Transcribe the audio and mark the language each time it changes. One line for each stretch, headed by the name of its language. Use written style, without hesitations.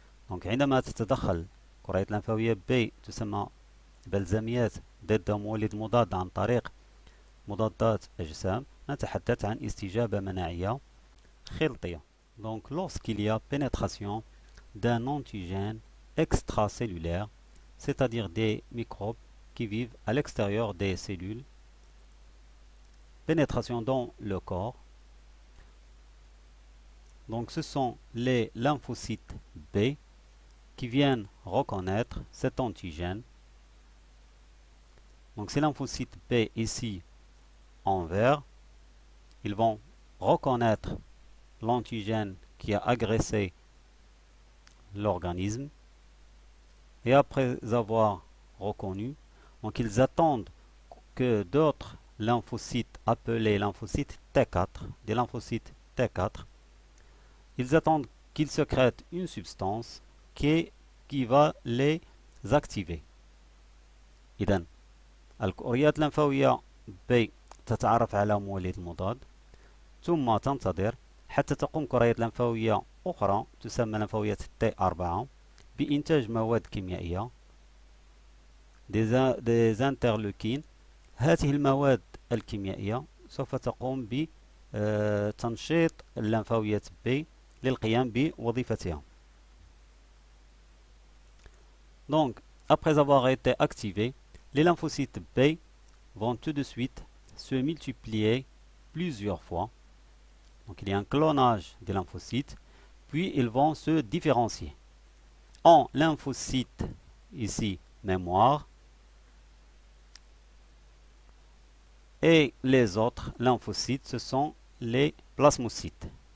French: Donc
Arabic: عندما تتدخل كرية لمفاوية B تسمى بلزميات ضد مولد مضاد عن طريق مضادات أجسام نتحدث عن استجابة مناعية خلطية.
French: Donc lorsqu'il y a pénétration d'un antigène extracellulaire, c'est-à-dire des microbes qui vivent à l'extérieur des cellules, pénétration dans le corps, donc ce sont les lymphocytes B qui viennent reconnaître cet antigène. Donc ces lymphocytes B ici en vert, ils vont reconnaître l'antigène qui a agressé l'organisme. Et après avoir reconnu, donc ils attendent que d'autres lymphocytes appelés lymphocytes T4, des lymphocytes T4, ils attendent qu'ils sécrètent une substance qui va les activer. Idem.
Arabic: الكريات اللمفاوية بي تتعرف على مولد مضاد ثم تنتظر حتى تقوم كريات لمفاوية أخرى تسمى لمفاوية T4 بإنتاج مواد كيميائية des interleukines. هذه المواد الكيميائية سوف تقوم بتنشيط اللمفاوية بي للقيام بوظيفتها.
French: Donc après avoir été activé, les lymphocytes B vont tout de suite se multiplier plusieurs fois. Donc il y a un clonage des lymphocytes, puis ils vont se différencier en lymphocytes ici mémoire et les autres lymphocytes, ce sont les plasmocytes.